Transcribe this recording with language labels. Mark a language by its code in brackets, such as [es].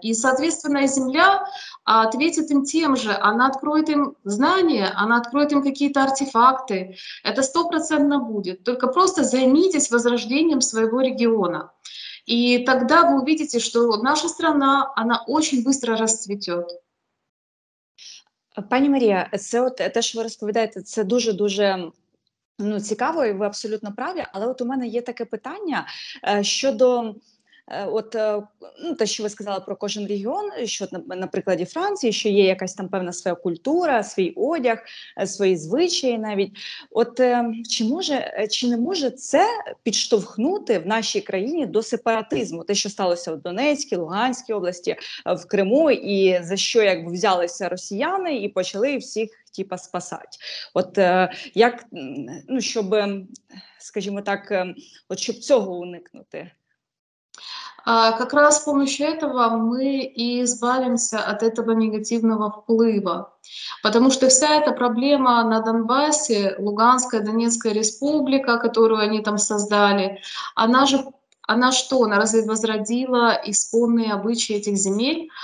[ru] И, соответственно, земля ответит им тем же, она откроет им знания, она откроет им какие-то артефакты. Это 100% будет. Только просто займитесь возрождением своего региона. И тогда вы увидите, что наша страна, она очень быстро расцветет. [uk] Пані Марія, це от те, що ви розповідаєте, це дуже-дуже, ну, цікаво, і ви абсолютно праві, але от у мене є таке питання щодо от, ну, те, що ви сказали про кожен регіон, що на прикладі Франції, що є якась там певна своя культура, свій одяг, свої звичаї навіть. От чи не може це підштовхнути в нашій країні до сепаратизму? Те, що сталося в Донецькій, Луганській області, в Криму, і за що якби взялися росіяни і почали всіх типа спасати? От як, ну, щоб, скажімо так, от щоб цього уникнути? [ru] Как раз с помощью этого мы и избавимся от этого негативного вплыва. Потому что вся эта проблема на Донбассе, Луганская, Донецкая республика, которую они там создали, она что, она разве возродила исконные обычаи этих земель?